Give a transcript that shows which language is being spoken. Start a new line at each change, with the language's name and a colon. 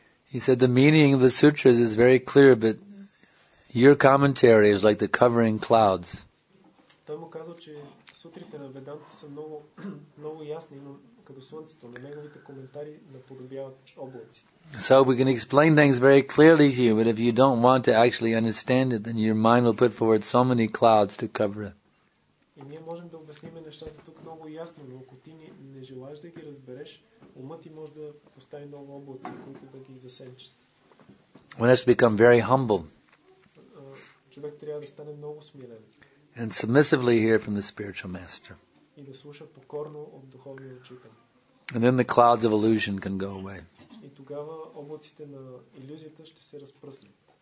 English: He said the meaning of the sutras is very clear, but your commentary is like the covering clouds.
Bulgarian: Той му казал, че сутрите на Веданта са много много ясни, но като слънцето, но неговите коментари наподобяват облаци.
English: So we can explain things very clearly to you, but if you don't want to actually understand it, then your mind will put forward so many clouds to cover it.
Bulgarian: И ние можем да обясним нещата тук много ясно, но ако ти не желаеш да ги разбереш, умът ти може да постави много облаци, които да ги засенчат.
English: One has to become very humble.
Bulgarian: Човек трябва да стане много смирен.
English: And submissively hear from the spiritual master.
Bulgarian: И да слуша покорно от духовния учител.
English: And then the clouds of illusion can go away.
Bulgarian: И тогава облаците на илюзията ще се разпръснат.